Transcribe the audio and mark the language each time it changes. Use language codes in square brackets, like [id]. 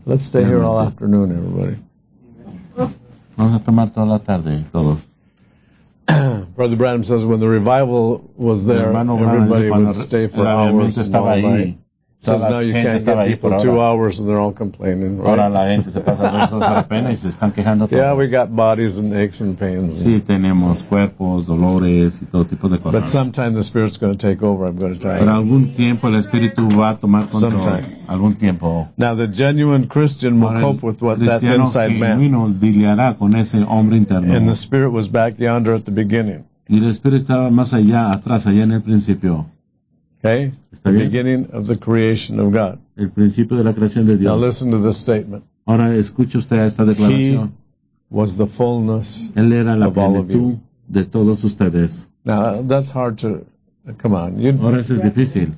[en] Let's stay here all afternoon, everybody. [es] Vamos a tomar toda la tarde, todos. [en] Brother Branham says when the revival was there, everybody would stay for hours. [es] Estaba ahí. [en] Says now you can't get people 2 hours and they're all complaining. [es] Ahora la gente se pasa dos horas apenas y se están quejando todos. [en] Yeah, we got bodies and aches and pains. [es] Sí, tenemos cuerpos, dolores y todo tipo de cosas. [en] But sometime the spirit's going to take over. I'm going to tell you. [es] Pero algún tiempo el espíritu va a tomar control. [en] Sometime. [es] Algún tiempo. [en] Now the genuine Christian will cope with what that inside man. [es] Cristiano genuino lidiará con ese hombre interno. [en] And the spirit was back yonder at the beginning. [es] Y el espíritu estaba más allá atrás allá en el principio. [en] Okay, the beginning of the creation of God. [es] El principio de la creación de Dios. [en] Now listen to this statement. [es] Ahora escuche usted esta declaración. [en] He was the fullness [es] Él era la [en] of all of you. [es] De todos ustedes. [en] Now that's hard to, come on. [es] Ahora eso es difícil.